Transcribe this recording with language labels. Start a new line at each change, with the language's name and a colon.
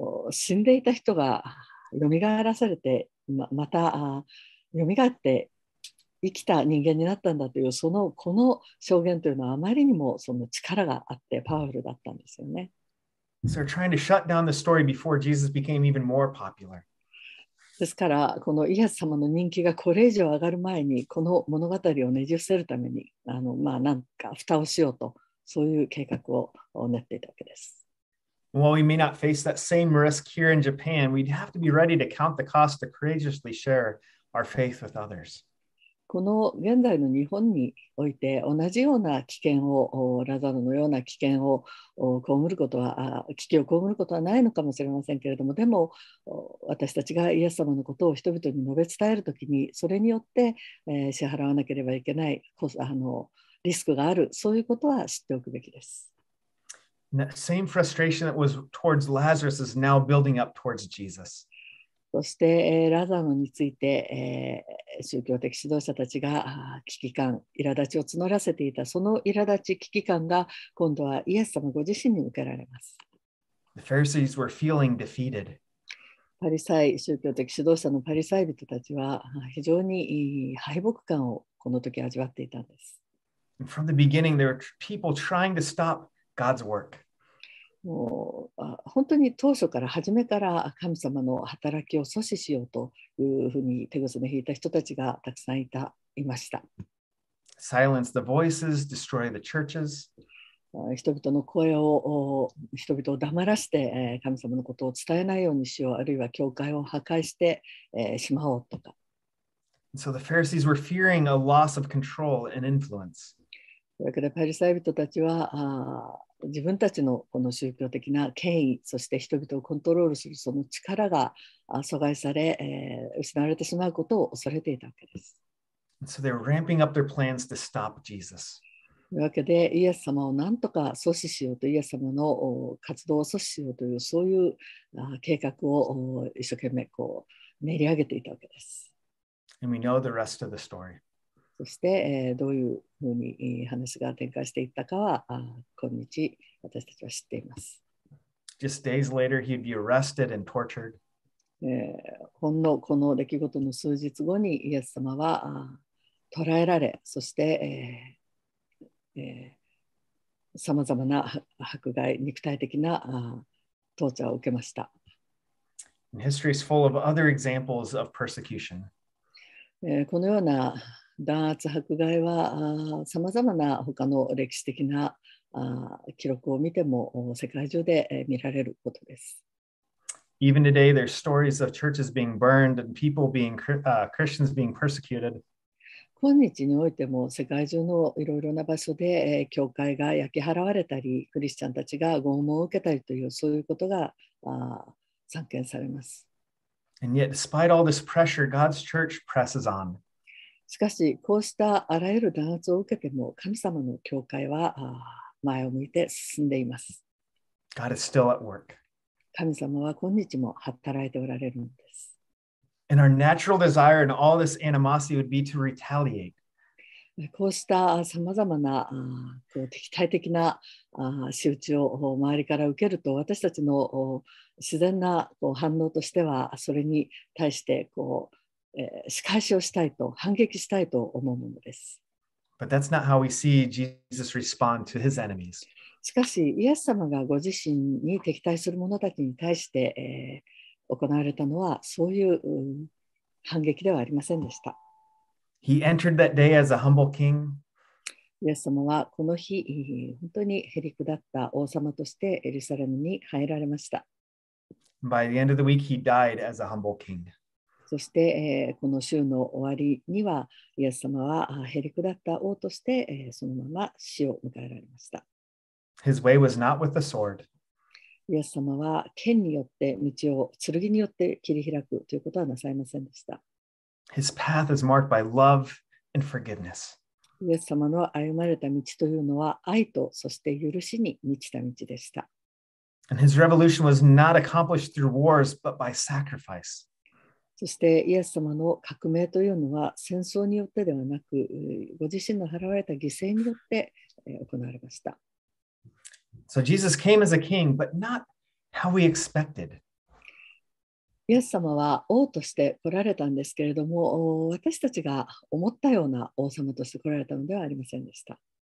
Japanese: 死んでいた人がよみがえらされて、またよみがえって、生きた人間になったんだというそのこの証言というのはあまりにもその力があってパワフルだったんですよね。
English: So they're trying to shut down the story before Jesus became even more popular.
Japanese: ですからこのイエス様の人気がこれ以上上がる前にこの物語をねじ伏せるためにまあなんか蓋をしようとそういう計画を練っていたわけです。
English: While we may not face that same risk here in Japan, we'd have to be ready to count the cost to courageously share our faith with others.
Japanese: この現在の日本において同じような危険をラザロのような危険を被ることは危機を被ることはないのかもしれませんけれども、でも私たちがイエス様のことを人々に述べ伝えるときにそれによって支払わなければいけないリスクがある、そういうことは知っておくべきです。
English: That same frustration that was towards Lazarus is now building up towards Jesus.
Japanese: そしてラザロについて宗教的指導者たちが危機感、苛立ちを募らせていた、その苛立ち、危機感が今度はイエス様ご自身に向けられます。
English: The Pharisees were feeling defeated.
Japanese: パリサイ、宗教的指導者のパリサイ人たちは非常に敗北感をこの時味わっていたんです。
English: And from the beginning, there were people trying to stop God's work.
Japanese: もう本当に当初から初めから神様の働きを阻止しようというふうに手ぐすね引いた人たちがたくさんいました。
English: Silence the voices, destroy the churches.
Japanese: 人々の声を人々を黙らして神様のことを伝えないようにしよう、あるいは教会を破壊してしまおうとか。
English: So the Pharisees were fearing a loss of control and influence.
Japanese: だからパリサイ人たちは自分たちのこの宗教的な権威、そして人々をコントロールするその力が阻害され、失われてしまうことを恐れていたわけです。
English: So they're ramping up their plans to stop Jesus.
Japanese: というわけで、イエス様を何とか阻止しようと、イエス様の活動を阻止しようという、そういう計画を一生懸命こう練り上げていたわけです。
English: And we know the rest of the story.
Japanese: そしてどういうふうに話が展開していったかは今日私たちは知っています。
English: Just days later, he'd be arrested and tortured.
Japanese: ほんのこの出来事の数日後にイエス様は捕らえられ、そしてさまざまな迫害、肉体的な捕虜を受けました。
English: History is full of other examples of persecution.
Japanese: このような弾圧迫害はさまざまな他の歴史的な記録を見ても世界中で見られることです。
English: Even today, there's stories of churches being burned and people being Christians being persecuted.
Japanese: 今日においても世界中のいろいろな場所で教会が焼き払われたり、クリスチャンたちが拷問を受けたりというそういうことが散見されます。
English: And yet, despite all this pressure, God's church presses on.
Japanese: しかし、こうしたあらゆる弾圧を受けても、神様の教会は前を向いて進んでいます。
English: God is still at work.
Japanese: 神様は今日も働いておられるんです。
English: And our natural desire and all this animosity would be to retaliate.
Japanese: こうしたさまざまな敵対的な仕打ちを周りから受けると、私たちの自然な反応としては、それに対してこう仕返しをしたいと、反撃したいと思うものです。
English: But that's not how we see Jesus respond to his enemies.
Japanese: しかし、イエス様がご自身に敵対する者たちに対して行われたのは、そういう反撃ではありませんでした。
English: He entered that day as a humble king.
Japanese: イエス様はこの日、本当にへりくだった王様としてエルサレムに入られました。
English: By the end of the week, he died as a humble king.
Japanese: そして、この週の終わりには、イエス様はへりくだった王として、そのまま死を迎えられました。
English: His way was not with the sword.
Japanese: イエス様は剣によって道を、剣によって切り開くということはなさいませんでした。
English: His path is marked by love and forgiveness.
Japanese: イエス様の歩まれた道というのは愛とそして許しに満ちた道でした。
English: And his revolution was not accomplished through wars, but by sacrifice.
Japanese: そしてイエス様の革命というのは戦争によってではなく、ご自身の払われた犠牲によって行われました。
English: So Jesus came as a king, but not how we expected.
Japanese: イエス様は王として来られたんですけれども、私たちが思ったような王様として来られたのではありませんでした。